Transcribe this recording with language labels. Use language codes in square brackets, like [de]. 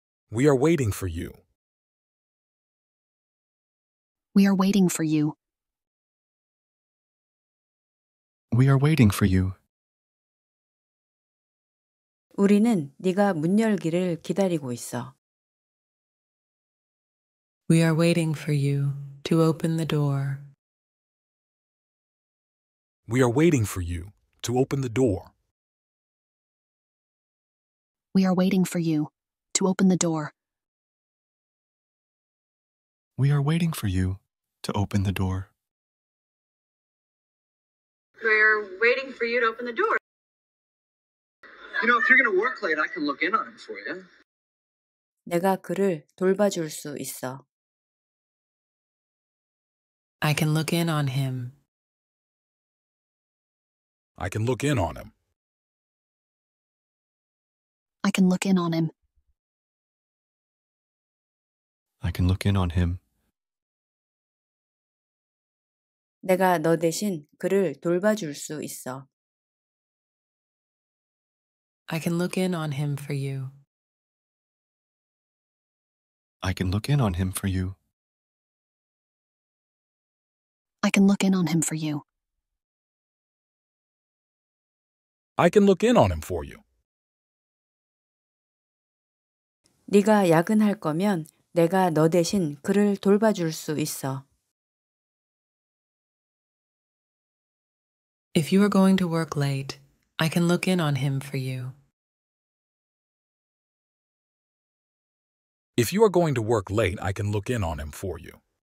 [en] We are waiting for you. We are waiting for you. We are waiting for you. [ko] 우리는 네가 문 열기를 기다리고 있어. [en] We are waiting for you to open the door. We are waiting for you to open the door. We are waiting for you to open the door. We are waiting for you to open the door. We're waiting for you to open the door. You know, if you're going to work late, I can look in on him for you. [ko] 내가 그를 돌봐줄 수 있어. [en] I can look in on him. I can look in on him. I can look in on him. I can look in on him. [ko] 내가 너 대신 그를 돌봐줄 수 있어. [en] I can look in on him for you. I can look in on him for you. I can look in on him for you. I can look in on him for you. [ko] 네가 야근할 거면 내가 너 대신 그를 돌봐줄 수 있어. [en] If you are going to work late, I can look in on him for you. If you are going to work late, I can look in on him for you.